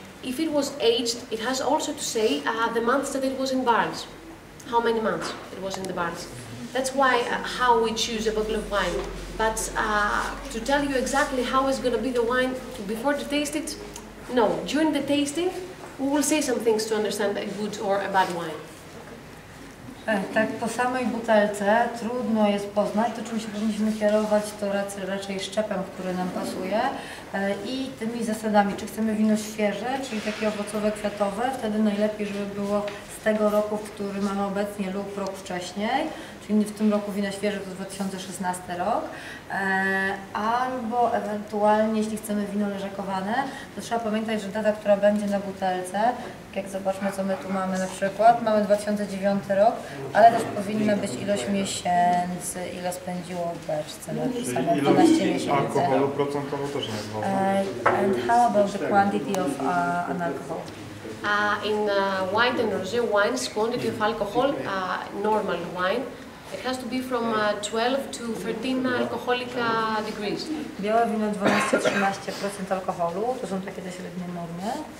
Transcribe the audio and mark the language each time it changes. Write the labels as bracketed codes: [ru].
[en] If it was aged, it has also to say the months that it was in barrels, how many months it was in the barrels. That's why how we choose a bottle of wine. But to tell you exactly how is going to be the wine before to taste it, no. During the tasting, we will say some things to understand a good or a bad wine. [pl] Tak po samej butelce trudno jest poznać, to czym się powinniśmy kierować, to raczej szczepem, który nam pasuje i tymi zasadami, czy chcemy wino świeże, czyli takie owocowe, kwiatowe, wtedy najlepiej, żeby było z tego roku, który mamy obecnie lub rok wcześniej, w tym roku wino świeże to 2016 rok, albo ewentualnie, jeśli chcemy wino leżakowane, to trzeba pamiętać, że data, która będzie na butelce, jak zobaczmy, co my tu mamy na przykład, mamy 2009 rok, ale też powinna być ilość miesięcy, ile spędziło w beczce, na przykład 12 miesięcy. Alkoholu procentowo też nie ważne. [en] And how about the quantity of an alcohol? In white and rosé wines, quantity of alcohol, normal wine, it has to be from 12 to 13 alcoholic degrees. [pl] Białe wino 12-13% alkoholu, to są takie średnie normy.